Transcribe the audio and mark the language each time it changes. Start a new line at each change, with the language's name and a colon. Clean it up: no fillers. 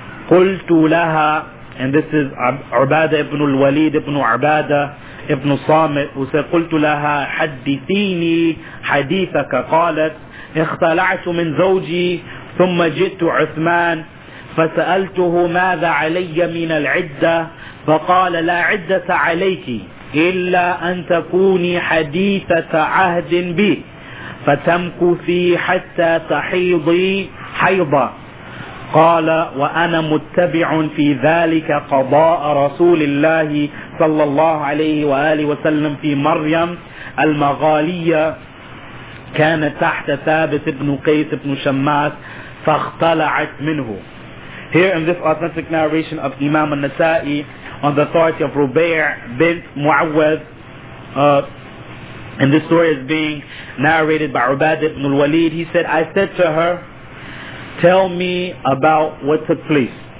Arabic: قُلْتُ لَهَا,
English: and this is Ubadah ibn al-Walid ibn Ubadah ibn Samit, who said,
Arabic: قُلْتُ لَهَا حَدِّثِينِي حَدِيثَكَ قَالَتْ اِخْتَلَعْتُ مِنْ زَوْجِي ثُمَّ جِئْتُ عُثْمَانَ فَسَأَلْتُهُ مَاذَا عَلَيَّ مِنَ الْعِدَّةِ فقال لا عدة عليك إلا أن تكوني حديثة عهد بي فتمكثي حتى تحيضي حيضة. قال وأنا متبع في ذلك قضاء رسول الله صلى الله عليه وآله وسلم في مريم المغالية كانت تحت ثابت بن قيس بن شماس فاختلعت منه.
English: Here in this authentic narration of Imam al-Nasa'i on the authority of Rubay' bin Mu'awwaz, and this story is being narrated by Ubadah ibn al-Walid, he said, I said to her, tell me about what took place.